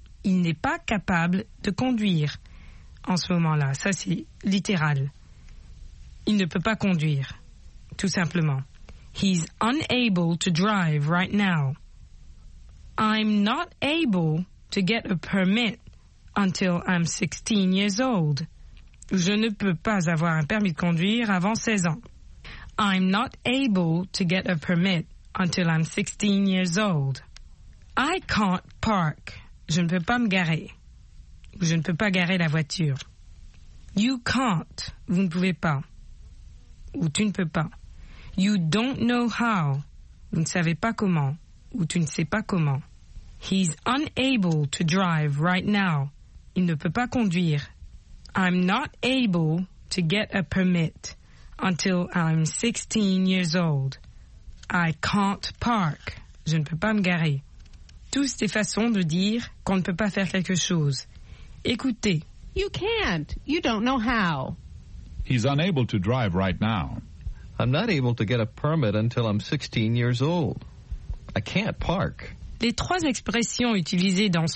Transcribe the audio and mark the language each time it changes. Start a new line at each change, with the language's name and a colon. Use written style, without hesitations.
French: Il n'est pas capable de conduire en ce moment-là. Ça, c'est littéral. Il ne peut pas conduire, tout simplement.
English: He's unable to drive right now. I'm not able to get a permit until I'm 16 years old.
French: Je ne peux pas avoir un permis de conduire avant 16 ans.
English: I'm not able to get a permit until I'm 16 years old. I can't park.
French: Je ne peux pas me garer. Je ne peux pas garer la voiture.
English: You can't.
French: Vous ne pouvez pas. Ou tu ne peux pas.
English: You don't know how.
French: Vous ne savez pas comment. Ou tu ne sais pas comment.
English: He's unable to drive right now.
French: Il ne peut pas conduire.
English: I'm not able to get a permit until I'm 16 years old. I can't park.
French: Je ne peux pas me garer. Tous ces façons de dire qu'on ne peut pas faire quelque chose. Écoutez.
English: You can't. You don't know how. He's unable to drive right now. I'm not able to get a permit until I'm 16 years old. I can't park.
French: Les trois expressions utilisées dans ce